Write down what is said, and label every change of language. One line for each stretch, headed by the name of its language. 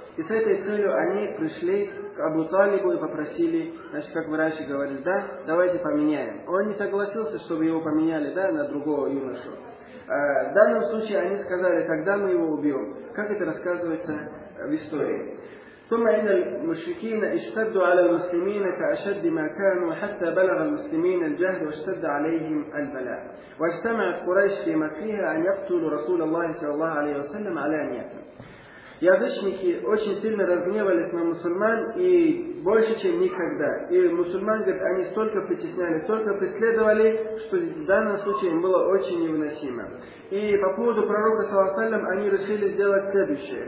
Russian: И с этой целью они пришли к Абу Талибу и попросили, значит, как врачи говорили, да, давайте поменяем. Он не согласился, чтобы его поменяли, да, на другого юношу. В данном случае они сказали, когда мы его убьем, как это рассказывается в истории.
Arabic: ثم إن المشركين اشتدوا على المسلمين كأشد ما كانوا حتى بلغ المسلمين الجهل واشتد عليهم البلاء واجتمعت قريش في مكرها أن يقتلوا رسول الله صلى الله عليه وسلم على علانية.
Russian: Язычники очень сильно разгневались на мусульман и больше, чем никогда. И мусульман, говорит, они столько притесняли, столько преследовали, что в данном случае им было очень невыносимо. И по поводу пророка, салам, они решили сделать следующее.